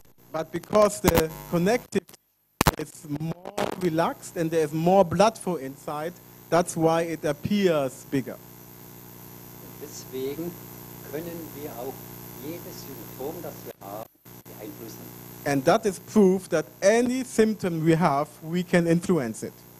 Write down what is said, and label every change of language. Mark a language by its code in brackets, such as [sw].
[en] But because the connective is more relaxed and there is more blood flow inside, that's why it appears bigger. [de] Deswegen können wir auch jedes Symptom, das wir haben, beeinflussen. [en] And that is proof that any symptom we have, we can influence it.